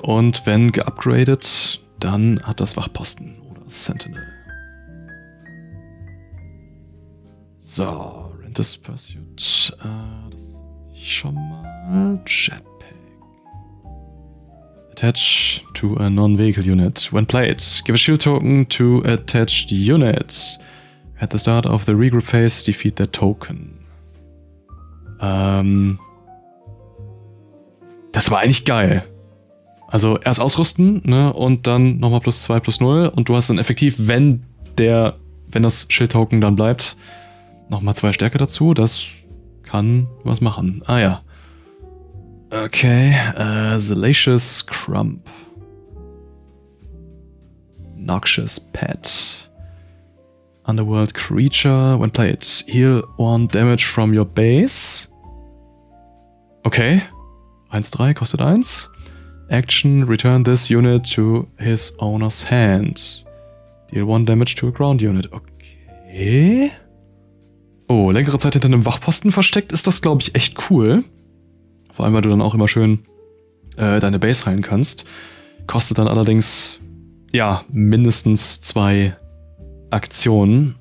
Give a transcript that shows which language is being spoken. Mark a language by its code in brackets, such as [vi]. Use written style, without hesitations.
[de] Und wenn geupgradet, dann hat das Wachposten oder Sentinel. So, Rentus Pursuit, das ist schon mal Jetpack. [en] Attach to a non-vehicle unit. When played, give a shield token to attached unit. At the start of the regroup phase, defeat that token. [de] Das war eigentlich geil. Also erst ausrüsten, ne, und dann nochmal +2/+0 und du hast dann effektiv, wenn das Schildtoken dann bleibt, nochmal 2 Stärke dazu, das kann was machen. Ah ja. Okay, Salacious Crump. [en] Noxious Pet. Underworld Creature. When played, heal 1 damage from your base. Okay. [de] 1-3 kostet 1. [en] Action, return this unit to his owner's hand. Deal 1 damage to a ground unit. Okay. [de] Oh, längere Zeit hinter einem Wachposten versteckt, ist das, glaube ich, echt cool. Vor allem, weil du dann auch immer schön deine Base heilen kannst. Kostet dann allerdings, ja, mindestens 2 Aktionen.